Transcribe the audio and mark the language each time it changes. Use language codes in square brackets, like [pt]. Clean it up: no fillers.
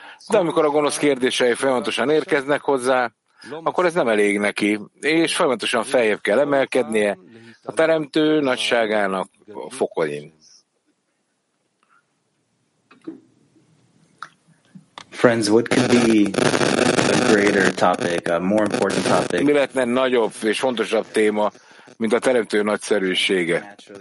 [hu] De amikor a gonosz kérdései folyamatosan érkeznek hozzá, akkor ez nem elég neki, és folyamatosan feljebb kell emelkednie a teremtő nagyságának fokain. [en] Friends, what could be a greater topic, a more important topic? [hu] Mi lehetne nagyobb és fontosabb téma, mint a teremtő nagyszerűsége?